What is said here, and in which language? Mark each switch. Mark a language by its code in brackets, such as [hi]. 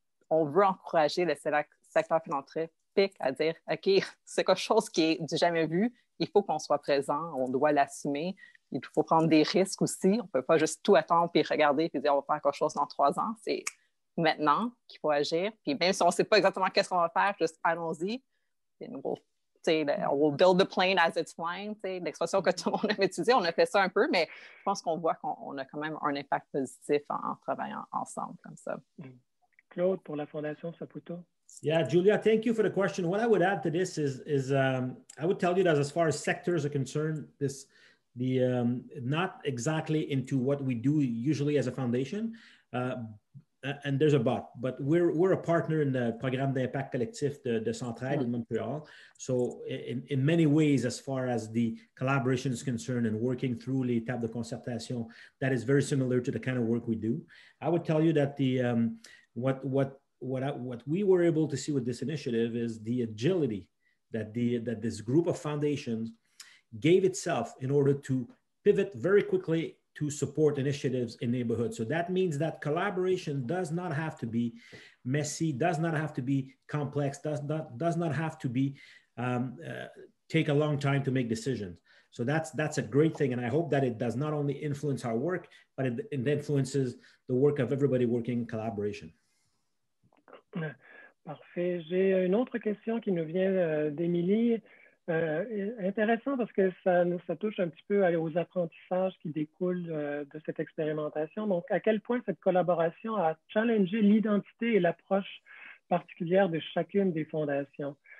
[fr] On veut encourager le secteur financier à dire, OK, c'est quelque chose qui est du jamais vu. Il faut qu'on soit présent. On doit l'assumer. Il faut prendre des risques aussi. On ne peut pas juste tout attendre puis regarder puis dire, on va faire quelque chose dans 3 ans. C'est maintenant qu'il faut agir. Puis même si on ne sait pas exactement qu'est-ce qu'on va faire, juste allons-y. [en] On will build the plane as it's flying. [fr] C'est l'expression que tout le monde aime utiliser. On a fait ça un peu, mais je pense qu'on voit qu'on a quand même un impact positif en travaillant ensemble comme ça. Claude, pour la Fondation Saputo. [en] Yeah, Julia, thank you for the question. What I would add to this is I would tell you that as far as sectors are concerned, this not exactly into what we do usually as a foundation, and there's a but we're a partner in the Programme d'impact collectif de Centrale in Montreal. So in many ways, as far as the collaboration is concerned and working through [fr] les tables de concertation, [en] that is very similar to the kind of work we do. I would tell you that what we were able to see with this initiative is the agility that this group of foundations gave itself in order to pivot very quickly to support initiatives in neighborhoods. So that means that collaboration does not have to be messy, does not have to be complex, does not have to be take a long time to make decisions. So that's a great thing. And I hope that it does not only influence our work, but it influences the work of everybody working in collaboration. [fr] Parfait. J'ai une autre question qui nous vient d'Émilie. Intéressant parce que ça touche un petit peu aux apprentissages qui découlent de cette expérimentation. Donc, à quel point cette collaboration a challengé l'identité et l'approche particulière de chacune des fondations?